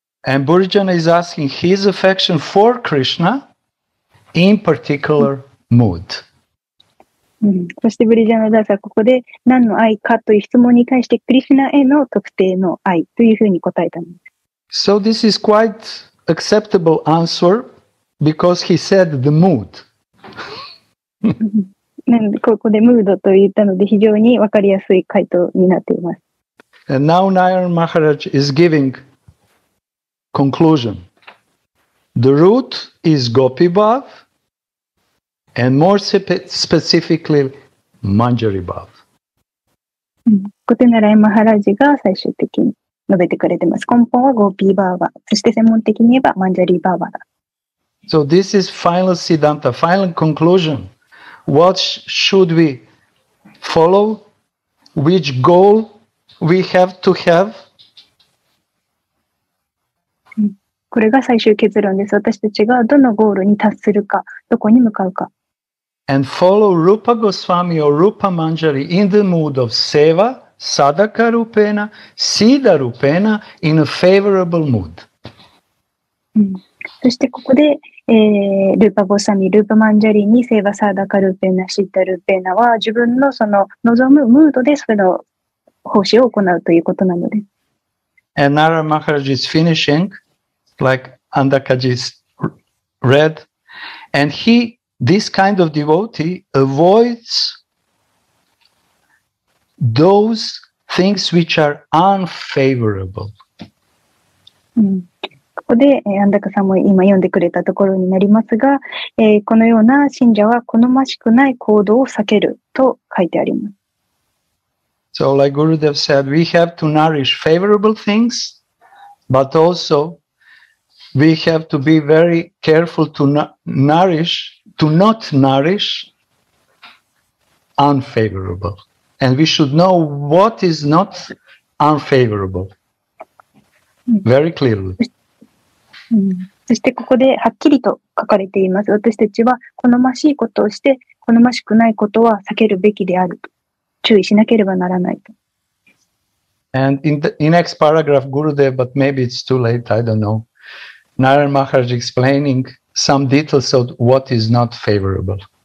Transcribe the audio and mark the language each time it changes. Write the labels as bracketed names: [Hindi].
[English] And Burijana is asking his affection for Krishna in particular mood. [Japanese] そして Burijana Dasa はここで何の愛かという質問に対して Krishna への特定の愛というふうに答えたのです。 [English] So this is quite acceptable answer because he said the mood. [Japanese] なのでここでムードと言ったので非常に分かりやすい回答になっています。 [English] And now Narayan Maharaj is giving conclusion. The root is Gopi Bhav and more specifically Manjari Bhav. [Japanese] ここで奈良マハラジが最終的に述べてくれています。根本はゴピーバーバ、そして専門的に言えばマンジャリーバーバだ。 [English] So this is final Siddhanta, final conclusion. What should we follow? Which goal we have to have? [Japanese] これが最終結論です。私たちがどのゴールに達するか、どこに向かうか。 [English] And follow Rupa Goswami or Rupa Manjari in the mood of seva, sadaka rupena, siddha rupena in a favorable mood. [Japanese] そしてここで、ルーパゴスワミ、ルーパマンジャリにセーバサーダカルーペーナ、シッタルーペーナは自分のその望むムードでそれの奉仕を行うということなので。 [English] And Nara Maharaj is finishing, like Andakaji read, and he, this kind of devotee, avoids those things which are unfavorable.、 Mm. [Japanese] ここで、安高さんも今読んでくれたところになりますが、このような信者は好ましくない行動を避けると書いてあります。 [English] So like Gurudev said, we have to nourish favorable things, but also we have to be very careful to nourish, to not nourish unfavorable. And we should know what is not unfavorable. Very clearly. [Japanese] そしてここではっきりと書かれています。私たちは好ましいことをして好ましくないことは避けるべきであると注意しなければならないと。 [English] And in the next paragraph, Gurudev, but maybe it's too late, I don't know. Narayan Maharaj explaining some details of what is not favorable.